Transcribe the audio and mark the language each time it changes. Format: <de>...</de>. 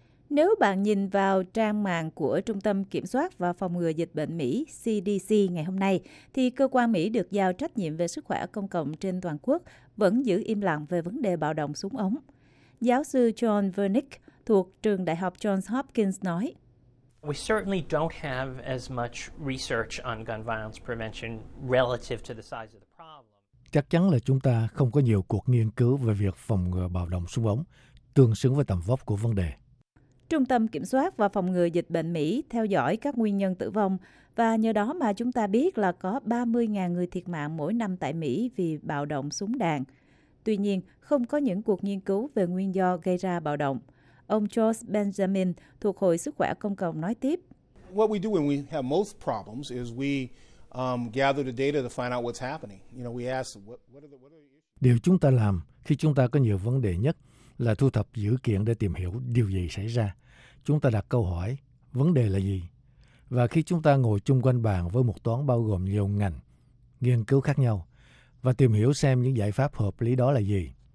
<vi>Nếu bạn nhìn vào trang mạng của Trung tâm Kiểm soát và Phòng ngừa Dịch bệnh Mỹ CDC ngày hôm nay, thì cơ quan Mỹ được giao trách nhiệm về sức khỏe công cộng trên toàn quốc vẫn giữ im lặng về vấn đề bạo động súng ống. Giáo sư John Vernick thuộc Trường Đại học Johns Hopkins nói,</vi> <en>We certainly don't have as much research on gun violence prevention relative to the size of the problem.</en> <vi>Chắc chắn là chúng ta không có nhiều cuộc nghiên cứu về việc phòng ngừa bạo động súng ống tương xứng với tầm vóc của vấn đề. Trung tâm Kiểm soát và Phòng ngừa Dịch bệnh Mỹ theo dõi các nguyên nhân tử vong và nhờ đó mà chúng ta biết là có 30.000 người thiệt mạng mỗi năm tại Mỹ vì bạo động súng đạn. Tuy nhiên, không có những cuộc nghiên cứu về nguyên do gây ra bạo động. Ông George Benjamin thuộc Hội Sức khỏe Công cộng nói tiếp.</vi> <en>What we do when we have most problems is we gather the data to find out what's happening. You know, we ask what are the issues?</en> <vi>Điều chúng ta làm khi chúng ta có nhiều vấn đề nhất là thu thập dữ kiện để tìm hiểu điều gì xảy ra. Chúng ta đặt câu hỏi, vấn đề là gì? Và khi chúng ta ngồi chung quanh bàn với một toán bao gồm nhiều ngành, nghiên cứu khác nhau, và tìm hiểu xem những giải pháp hợp lý đó là gì.</vi>